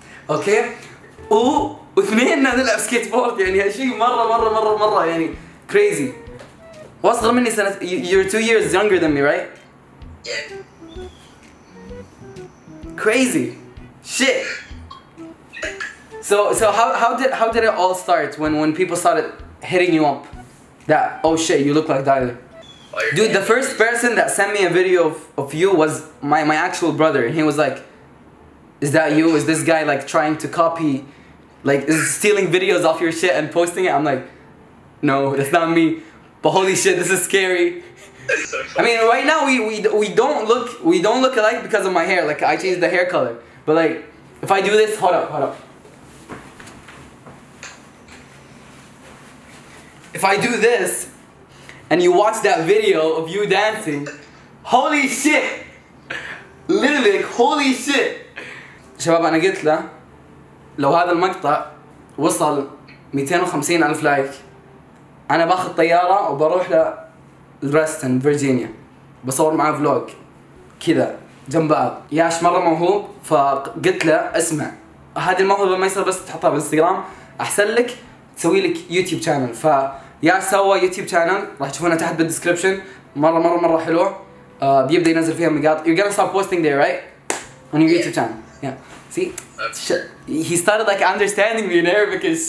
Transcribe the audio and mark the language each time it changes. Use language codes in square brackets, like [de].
[ar] أوكي. واثنين نلعب سكيتبورد يعني هالشيء مرة مرة مرة مرة يعني crazy. وأصغر مني سنة. [en] You're 2 years younger than me, right? Yeah. Crazy. Shit. So how did it all start when people started hitting you up? That oh shit, you look like Tyler. Dude, the first person that sent me a video of you was my actual brother and he was like, "Is that you? Is this guy like trying to copy like is stealing videos off your shit and posting it?" I'm like, "No, that's not me." But holy shit, this is scary. So I mean, right now we don't look alike because of my hair. Like I changed the hair color, but like if I do this, hold up. if I do this and you watch that video of you dancing, holy shit! Literally, like, holy shit! [ar] شباب أنا قلت له لو هذا المقطع وصل 250 ألف لايك أنا باخذ طيارة وبروح لدرستن فيرجينيا بصور معاه فلوج كذا جنب بعض. ياش مرة موهوب فقلت له اسمع هذه الموهبة ما يصير بس تحطها بالإنستغرام أحسن لك تسوي لك يوتيوب شانل. فياش سوى يوتيوب شانل راح تشوفونه تحت بالدسكريبشن مرة مرة مرة حلوة بيبدأ ينزل فيها مقاطع. [en] You're gonna start posting there right on your YouTube channel. Yeah. See, he started like understanding me in Arabic.